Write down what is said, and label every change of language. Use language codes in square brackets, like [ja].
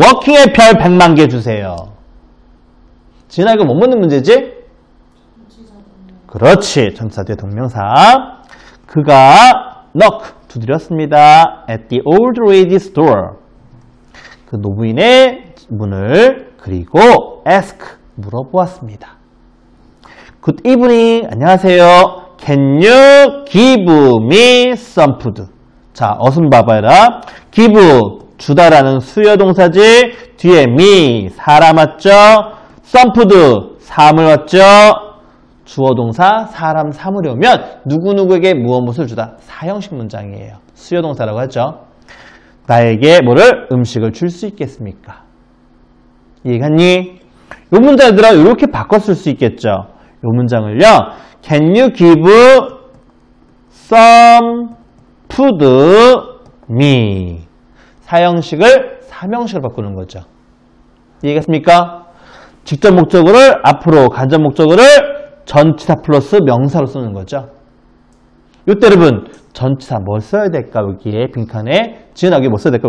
[ko] walking의 별 100만 개 주세요. 진아 이거 못 묻는 문제지? 그렇지. 전치사 뒤에 동명사. 그가 knock 두드렸습니다. [en] At the old lady's door. [ko] 그 노부인의 문을 그리고 ask 물어보았습니다. [en] Good evening. [ko] 안녕하세요. [en] Can you give me some food? [ko] 자, 어순 봐봐라. give, 주다라는 수여 동사지. 뒤에 me, 사람 왔죠? some food, 사물 왔죠? 주어 동사, 사람 사물이 오면 누구누구에게 무엇을 주다? 사형식 문장이에요. 수여 동사라고 하죠. 나에게 뭐를 음식을 줄 수 있겠습니까? 이해갔니? 요 문장들아 이렇게 바꿨을 수 있겠죠? 요 문장을요. [en] Can you give some food me? [ko] 사형식을 삼형식으로 바꾸는 거죠. 이해했습니까? 직접 목적어를 앞으로, 간접 목적어를 전치사 플러스 명사로 쓰는 거죠. 이때 여러분, 전치사 뭘 써야 될까? 여기에 빈칸에. 지은아, 여기 뭐 써야 될까?